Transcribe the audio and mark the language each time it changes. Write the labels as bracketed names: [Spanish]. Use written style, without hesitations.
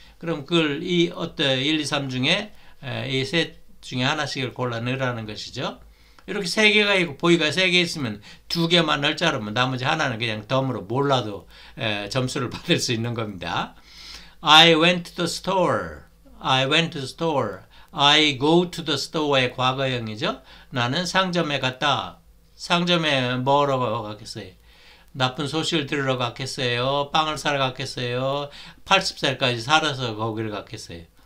[Korean] 그럼 그걸 이 어떤 1, 2, 3 중에 이 셋 중에 하나씩을 골라 넣으라는 것이죠. 이렇게 세 개가 있고 보이가 세개 있으면 두 개만 날짜로면 나머지 하나는 그냥 덤으로 몰라도 점수를 받을 수 있는 겁니다. [English] I went to the store. I went to the store. I go to the store [Korean] 의 과거형이죠. 나는 상점에 갔다. 상점에 뭐로 가겠어요? 나쁜 소식을 들으러 갔겠어요? 빵을 사러 갔겠어요? 80살까지 살아서 거기를 갔겠어요?